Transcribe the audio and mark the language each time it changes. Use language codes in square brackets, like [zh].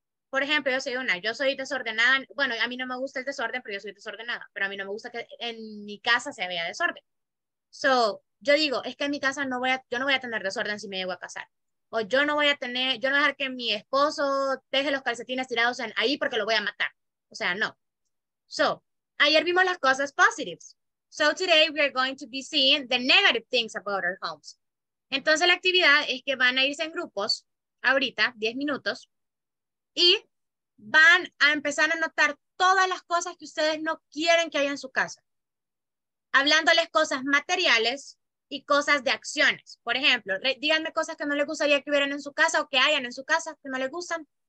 [es] Por ejemplo, yo soy desordenada. Bueno, a mí no me gusta el desorden, pero yo soy desordenada. Pero a mí no me gusta que en mi casa se vea desorden. So, yo digo, es que en mi casa yo no voy a tener desorden si me llego a casar. O yo no voy a dejar que mi esposo deje los calcetines tirados ahí porque lo voy a matar. O sea, no. So, ayer vimos las cosas positives. [en] So, today we are going to be seeing the negative things about our homes. [es] Entonces, la actividad es que van a irse en grupos, ahorita, 10 minutos, y van a empezar a notar todas las cosas que ustedes no quieren que haya en su casa. Hablándoles cosas materiales y cosas de acciones. Por ejemplo, díganme cosas que no les gustaría que hubieran en su casa o que hayan en su casa que no les gustan.